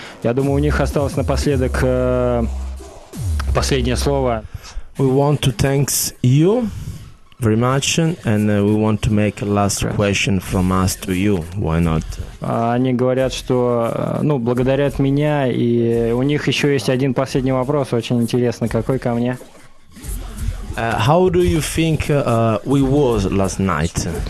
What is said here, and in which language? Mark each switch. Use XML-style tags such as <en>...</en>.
<ru>Я думаю, у них осталось напоследок последнее слово.</ru> <en>We want to thank you very much, and we want to make a last question from us to you. Why not?</en> <ru>Они говорят, что благодарят меня, и у них еще есть один последний вопрос, очень интересный, какой ко мне?</ru> <en>How do you think we was last night?</en>